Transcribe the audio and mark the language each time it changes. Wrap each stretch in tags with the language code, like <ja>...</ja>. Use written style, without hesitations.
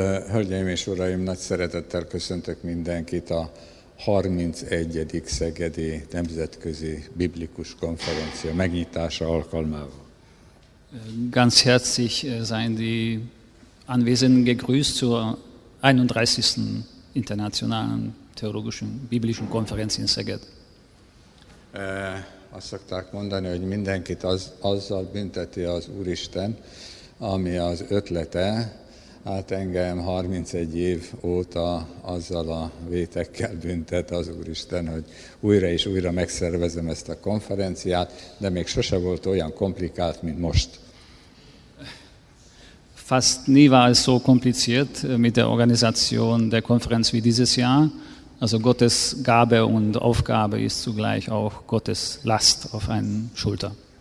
<hu>Hölgyeim és uraim, nagy szeretettel köszöntök mindenkit a 31. Szegedi Nemzetközi Biblikus Konferencia megnyitása alkalmával.</hu> <de>Ganz herzlich seien die Anwesenden gegrüßt zur 31. Internationalen Theologischen Biblischen Konferenz in Szeged.</de> <hu>Azt szokták mondani, hogy mindenkit azzal bünteti az Úristen, ami az ötlete. Hát engem 31 év óta azzal a vétekkel büntet az Úristen, hogy újra és újra megszervezem ezt a konferenciát, de még sose volt olyan komplikált, mint most.</hu> <de>Fast nie war es so kompliziert mit der Organisation der Konferenz wie dieses Jahr. Also Gottes Gabe und Aufgabe ist zugleich auch Gottes Last auf einen Schulter.</de>